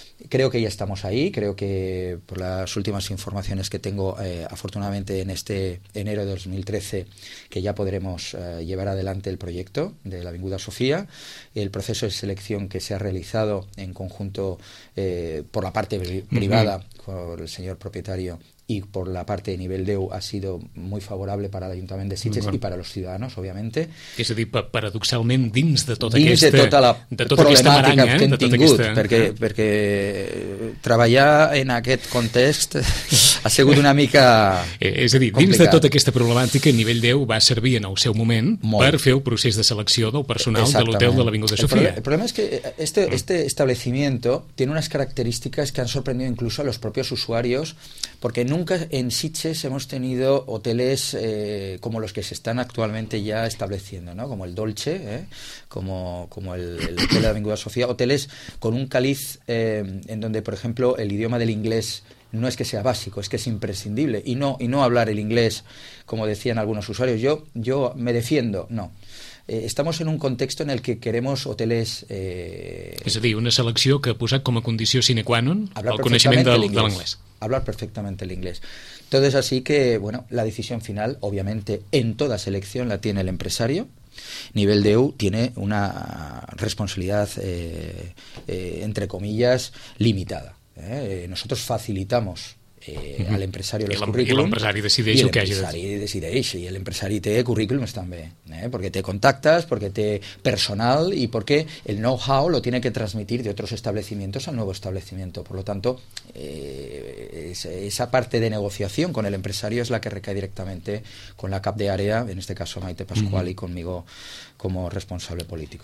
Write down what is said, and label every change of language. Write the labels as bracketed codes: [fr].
[es] Creo que ya estamos ahí, creo que por las últimas informaciones que tengo, afortunadamente en este enero de 2013, que ya podremos llevar adelante el proyecto de la Avinguda Sofía. El proceso de selección que se ha realizado en conjunto por la parte privada, por el señor propietario, y por la parte de nivel DEU, ha sido muy favorable para el Ayuntamiento de Sitges y para los ciudadanos, obviamente. [ca] És a dir, paradoxalment, dins de tota aquesta problemàtica que hem tingut, perquè treballar en aquest context ha sigut una mica És a dir, dins de tota aquesta problemàtica, nivell DEU va servir en el seu moment per fer el procés de selecció del personal de l'hotel de l'Avinguda Sofía. [es] El problema [ca] és que [es] este establecimiento tiene unas características que han sorprendido incluso a los propios usuarios, porque nunca en Sitges hemos tenido hoteles como los que se están actualmente ya estableciendo, ¿no? Como el Dolce, como el Hotel de la Avinguda Sofía, hoteles con un caliz en donde, por ejemplo, el idioma del inglés no es que sea básico, es que es imprescindible, y no hablar el inglés, como decían algunos usuarios, yo me defiendo, no. Estamos en un contexto en el que queremos hoteles... [ca] És a dir, una selecció que ha posat com a condició sine qua non el coneixement de l'anglès. [es] Hablar perfectamente el inglés. Entonces, así que, bueno, la decisión final, obviamente, en toda selección la tiene el empresario. Nivel de EU tiene una responsabilidad, entre comillas, limitada. Nosotros facilitamos al empresario los currículums. [ca] I el empresari té currículums també, perquè té contactes, perquè té personal i perquè el know-how [es] lo tiene que transmitir de otros establecimientos al nuevo establecimiento. Por lo tanto, esa parte de negociación con el empresario es la que recae directamente con la cap de área, en este caso Maite Pascual, y conmigo como responsable político.